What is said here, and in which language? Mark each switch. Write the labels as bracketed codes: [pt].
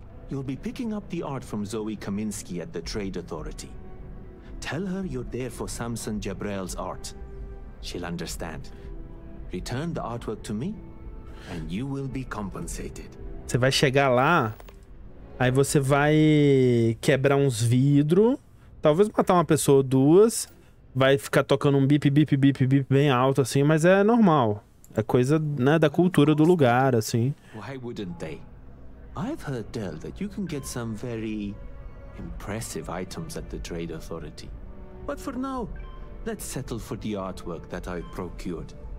[en] You'll be picking up the art from Zoe Kaminsky at the Trade Authority. Tell her you're there for Samson Jabrel's art. She'll understand. Return the artwork to me and you will be compensated. [pt] Você vai chegar lá, aí você vai quebrar uns vidros. Talvez matar uma pessoa ou duas, vai ficar tocando um bip, bip, bip, bip bem alto, assim, mas é normal. É coisa, né, da cultura do lugar, assim. [en] Why wouldn't they? I've heard tell that you can get some very impressive items at the Trade Authority. But for now, let's settle for the artwork that I procured.